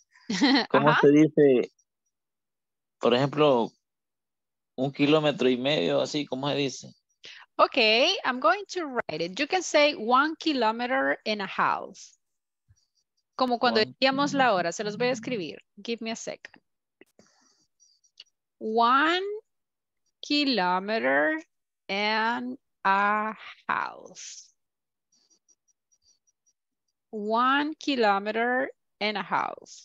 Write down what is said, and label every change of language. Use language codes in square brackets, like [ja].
[es] ¿Cómo se dice, por ejemplo, un kilómetro y medio, así, cómo se dice? [en] Okay, I'm going to write it. You can say 1 kilometer and a half. [es] Como cuando decíamos la hora, se los voy a escribir. [en] Give me a second. 1 kilometer and a half. 1 kilometer and a half.